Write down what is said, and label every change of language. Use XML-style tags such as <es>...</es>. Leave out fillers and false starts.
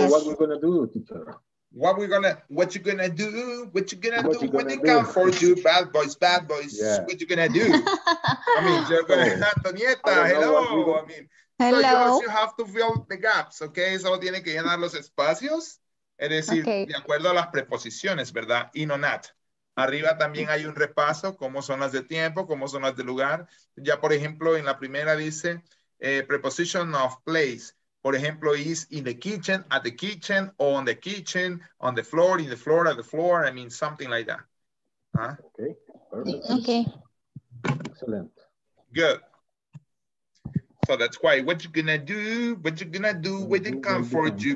<en>I don't know what we're gonna do, teacher. What we're gonna, what you gonna do? What you gonna do when they come for you, bad boys, bad boys? Yeah. What you gonna do? I mean, you're gonna, Antonieta, hello. Hello. So you have to fill the gaps, okay?</en> <es>Solo tiene que llenar los espacios. Es decir, okay, de acuerdo a las preposiciones, ¿verdad?</es> <en>In or not.</en> <es>Arriba también hay un repaso, cómo son las de tiempo, cómo son las de lugar. Ya, por ejemplo, en la primera dice</es> <en>preposition of place.</en> <es>Por ejemplo,</es> <en>is in the kitchen, at the kitchen, on the kitchen, on the floor, in the floor, at the floor. I mean, something like that. Huh? Okay. Okay. Excellent. Good. So that's why, what you gonna do? What you gonna do when they come for you?</en>